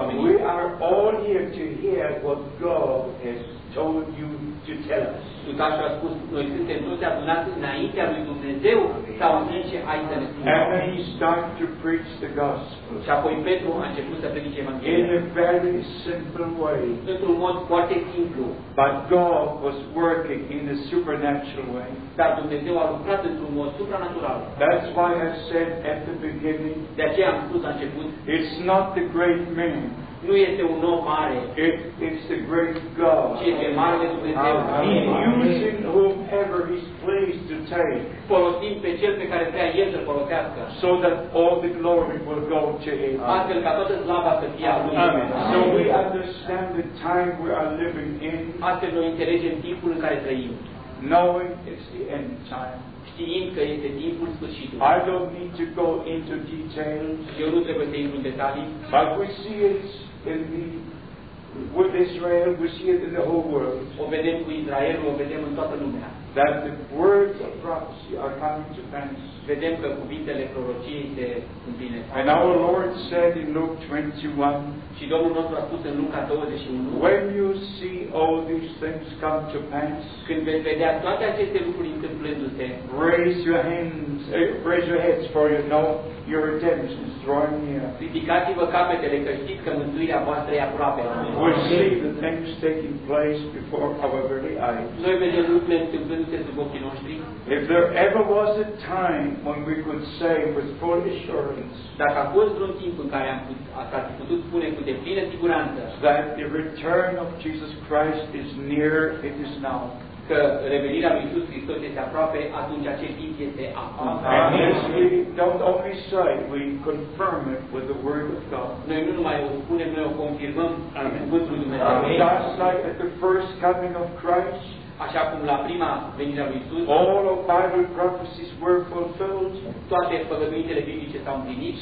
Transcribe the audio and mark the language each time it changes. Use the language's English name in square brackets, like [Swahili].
[English] We are all here to hear what God has told you to tell us. [Romanian] Dutașul a spus, noi suntem toți adunați înaintea lui Dumnezeu sau în ce ai să ne spun. [English] And he started to preach the gospel. [Romanian] Și apoi Petru a început să predice Evanghelia. [English] In a very simple way. [Romanian] Într-un mod foarte simplu. [English] But God was working in a supernatural way. [Romanian] Dar Dumnezeu a lucrat într-un mod supranatural. [English] That's why I said at the beginning. [Romanian] De aceea am spus la început. [English] It's not the great man. [Romanian] Nu este un om mare. [English] It's the great God. [Romanian] Ci este marele Dumnezeu. [English] Using whomever he's pleased to take. [Romanian] Folosind pe cel pe care vrea el să-l folosească. [English] So that all the glory will go to him. [Romanian] Astfel ca toată slava să fie a lui. [English] Amen. So we understand the time we are living in. [Romanian] Astfel noi înțelegem timpul în care trăim. [English] Knowing it's the end time. [Romanian] Știind că este timpul sfârșitului. [English] I don't need to go into details. [Romanian] Eu nu trebuie să intru în detalii. [English] But we see it in the with Israel, we see it in the whole world. [Romanian] O vedem cu Israel, o vedem în toată lumea. [English] That the words of prophecy are coming to pass. [Romanian] Vedem că cuvintele prorociei se împlinesc. [English] And our Lord said in Luke 21. [Romanian] Și Domnul nostru a spus în Luca 21. [English] When you see all these things come to pass. [Romanian] Când veți vedea toate aceste lucruri întâmplându-se. [English] Raise your heads, for you know your redemption is drawing near. [Romanian] Ridicați-vă capetele, că știți că mântuirea voastră e aproape. [English] We see the things taking place before our very eyes. [Romanian] Noi vedem lucrurile întâmplându-se sub ochii noștri. [English] If there ever was a time when we could say with full assurance. [Romanian] Dacă a fost vreun timp în care am putut spune cu deplină siguranță. [English] That the return of Jesus Christ is near, it is now. [Romanian] Că revenirea lui Iisus Hristos este aproape, atunci acest timp este acum. [English] Yes, we don't only say, we confirm it with the word of God. [Romanian] Noi nu numai o spunem, noi o confirmăm cu cuvântul lui Dumnezeu. [English] Just like at the first coming of Christ. [Romanian] Așa cum la prima venire a lui Iisus. [English] All of Bible prophecies were fulfilled. [Romanian] Toate făgăduințele biblice s-au împlinit.